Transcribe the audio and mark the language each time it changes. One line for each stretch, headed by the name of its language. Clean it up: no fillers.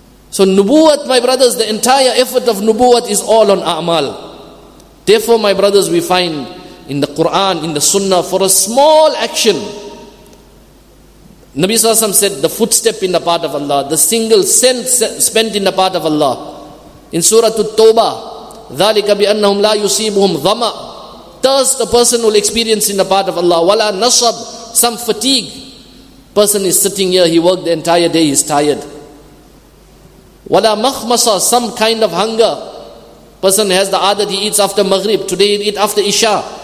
English: So nubuwat, my brothers, the entire effort of nubuwat is all on a'mal. Therefore, my brothers, we find in the Quran, in the sunnah, for a small action, Nabi Sallallahu Alaihi Wasallam said, the footstep in the path of Allah, the single cent spent in the path of Allah. In Surah At-Tawbah,
Arabic: ذَلِكَ بِأَنَّهُمْ لَا يُصِيبُهُمْ ظَمَى.
English: Thirst a person will experience in the path of Allah.
Arabic: وَلَا نَصَبْ.
English: Some fatigue. Person is sitting here, he worked the entire day, he's tired.
Arabic: وَلَا مَخْمَصَ.
English: Some kind of hunger. Person has the adat, he eats after Maghrib. Today he eat after Isha.